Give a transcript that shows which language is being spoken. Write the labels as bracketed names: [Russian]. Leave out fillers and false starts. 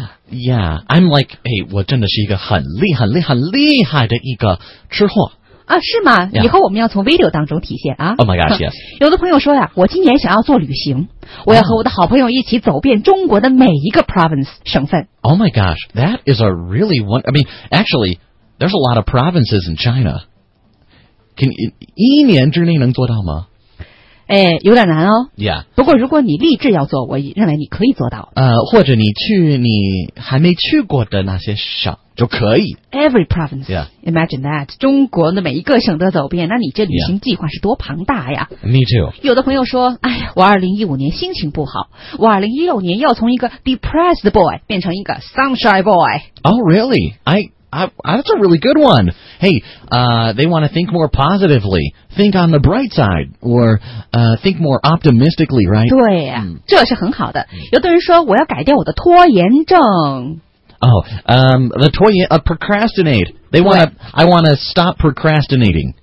[English] ？ Yeah, I'm like, hey, [Chinese] 我真的是一个很厉很厉很厉害的一个吃货啊，是吗？Yeah. 以后我们要从 video 当中体现啊。 [English] Oh my gosh, yes. [Chinese] 有的朋友说呀，我今年想要做旅行，我要和我的好朋友一起走遍中国的每一个 province 省份。 [English] Oh my gosh, that is a really one. I mean, actually, there's a lot of provinces in China. Can you, [Chinese] 一年之内能做到吗？哎，有点难哦。 [English] Yeah. [Chinese] 不过如果你立志要做，我认为你可以做到。或者你去你还没去过的那些省就可以。 [English] Every province. Yeah. Imagine that. [Chinese] 中国的每一个省都走遍，那你这旅行计划是多庞大呀。 [English] Yeah. Me too. [Chinese] 有的朋友说，哎，我2015年心情不好，我2016年要从一个 [English] depressed boy [Chinese] 变成一个 [English] sunshine boy. Oh, really? I that's a really good one. Hey, they want to think more positively. Think on the bright side. Or think more optimistically, right? [Chinese] 对呀、啊嗯、这是很好的。有的人说我要改掉我的拖延症。 [English] Oh, the 拖延 procrastinate. They want to, I want to stop procrastinating.